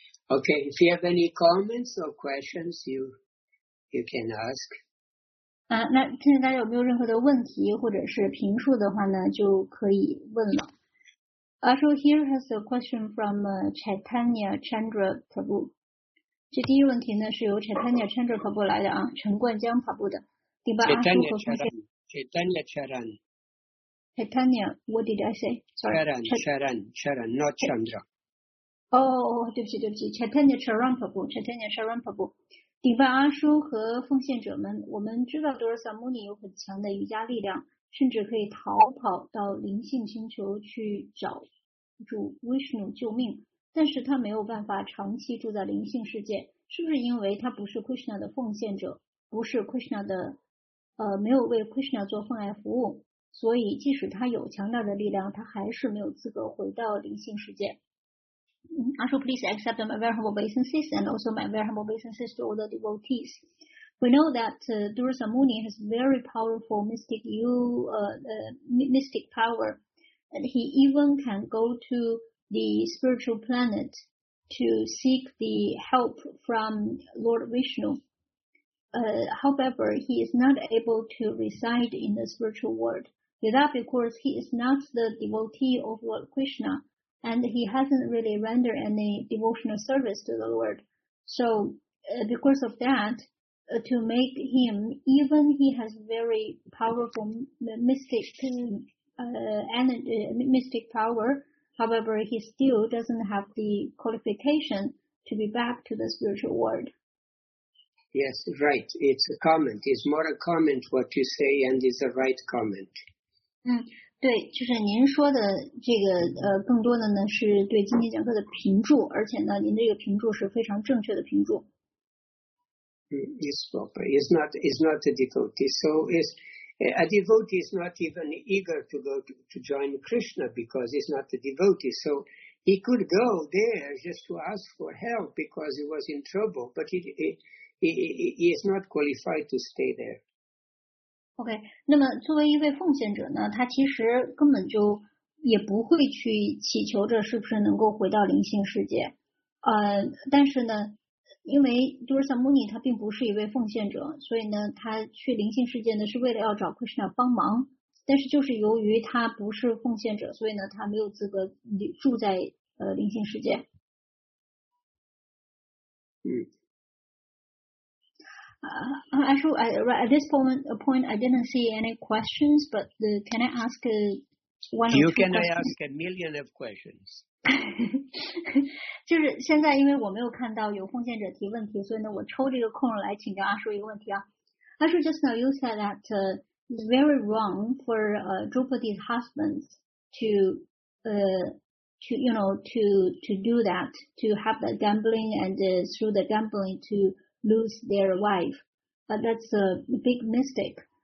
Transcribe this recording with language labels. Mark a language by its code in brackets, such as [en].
[en] Okay, if you have any comments or questions, you can ask. [zh] 那现在大家有没有任何的问题或者是评述的话呢，就可以问了。 [en] So here has a question from Chaitanya Chandra Prabhu. [zh] 这第一问题呢是由 Chaitanya Chandra Prabhu 来的啊，陈冠江 Prabhu 的。第八阿叔和奉献。 [en] Chaitanya Charan. Chaitanya, what did I say? Charan, not Chandra. [zh] Oh, 对不起，对不起 ，Chaitanya Charan Prabhu, Chaitanya Charan Prabhu. 顶拜阿叔和奉献者们，我们知道 Dorsa Muni 有很强的瑜伽力量，甚至可以逃跑到灵性星球去找主 Vishnu 救命，但是他没有办法长期住在灵性世界，是不是因为他不是 Krishna 的奉献者，不是 Krishna 的，没有为 Krishna 做奉爱服务？所以即使他有强大的力量，他还是没有资格回到灵性世界。 [en] Ashu, please accept my very humble obeisances and also my very humble obeisances to all the devotees. We know that Durasa Muni has very powerful mystic mystic power, and he even can go to the spiritual planet to seek the help from Lord Vishnu. However, he is not able to reside in the spiritual world. With that, of course, he is not the devotee of Lord Krishna, and he hasn't really rendered any devotional service to the Lord. So, because of that, to make him, even he has very powerful mystic power, however, he still doesn't have the qualification to be back to the spiritual world. Yes, right. It's a comment. It's more a comment what you say, and it's a right comment. [zh] 对，就是您说的这个更多的呢是对今天讲课的评注，而且呢您这个评注是非常正确的评注。 [en] It's proper. It's not a devotee. So it's a devotee is not even eager to go to join Krishna because he's not a devotee. So he could go there just to ask for help because he was in trouble, but he is not qualified to stay there. [zh] OK, 那么作为一位奉献者呢，他其实根本就也不会去祈求着是不是能够回到灵性世界。但是呢，因为 Durasa Muni 他并不是一位奉献者，所以呢他去灵性世界呢是为了要找 Krishna 帮忙，但是就是由于他不是奉献者，所以呢他没有资格住在灵性世界。嗯。 [en] Actually, at this point, I didn't see any questions, but can I ask I ask a million of questions? [zh] 就是现在因为我没有看到有奉献者提问题，所以呢，我抽这个空来请教阿叔一个问题啊。 [en] Actually, just now you said that it's very wrong for Drupadi's husband to do that, to have the gambling and through the gambling to... lose their wife, but that's a big mistake.